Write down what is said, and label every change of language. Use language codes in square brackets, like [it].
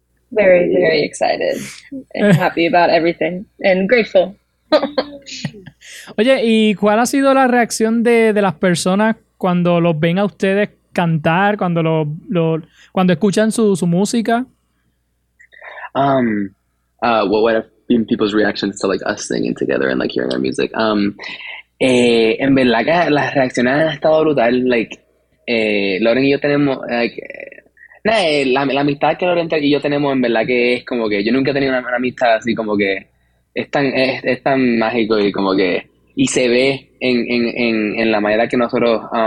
[en] Very, very excited. And happy about everything. And grateful. [es] Oye, ¿y cuál ha sido la reacción de las personas cuando los ven a ustedes cantar, cuando escuchan su música? [en] What have been people's reactions to like us singing together and like hearing our music? [es] En verdad que las reacciones han estado brutal, like, Loren y yo tenemos, la amistad que Loren y yo tenemos, en verdad que es como que yo nunca he tenido una amistad así, como que es tan mágico, y como que, y se ve en la manera que nosotros